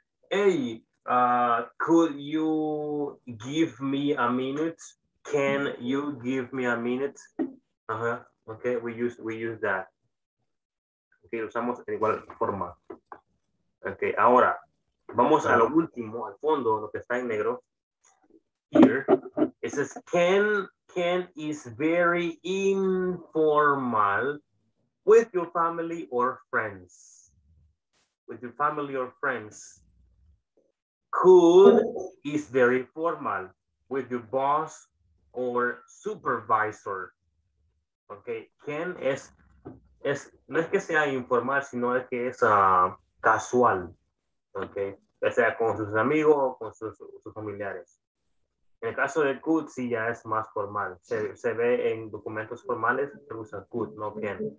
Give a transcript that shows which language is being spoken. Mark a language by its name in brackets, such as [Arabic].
[English] Hey, could you give me a minute? Can you give me a minute? Uh-huh. Okay, we use that. [Spanish] Okay, usamos en igual forma. Okay, ahora vamos a lo último, al fondo, lo que está en negro. [English] Here it says Ken is very informal with your family or friends. With your family or friends. Could is very formal with your boss or supervisor. [Spanish] Okay, Ken es no es que sea informal, sino es que es casual. Okay, ya sea con sus amigos o con sus familiares. En el caso de could, sí, ya es más formal. Se ve en documentos formales, se usa could, no Ken.